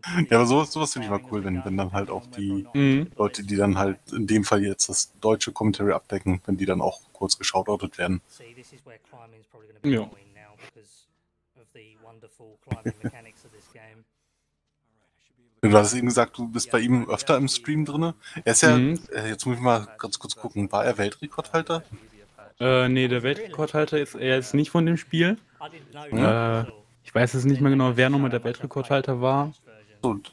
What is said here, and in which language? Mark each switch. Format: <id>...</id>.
<de>Ja, aber sowas finde ich mal cool, wenn dann halt auch die Leute, die dann halt in dem Fall jetzt das deutsche Commentary abdecken, wenn die dann auch kurz geshoutoutet werden.</de> <en>See, this is where climbing is probably going to be going now because of the wonderful climbing mechanics of this game.</en> <de>Du hast eben gesagt, du bist bei ihm öfter im Stream drin. Er ist ja, jetzt muss ich mal ganz kurz gucken, war er Weltrekordhalter? Nee, der Weltrekordhalter ist, er ist nicht von dem Spiel. Mhm. Ich weiß jetzt nicht mehr genau, wer nochmal der Weltrekordhalter war. Und,</de>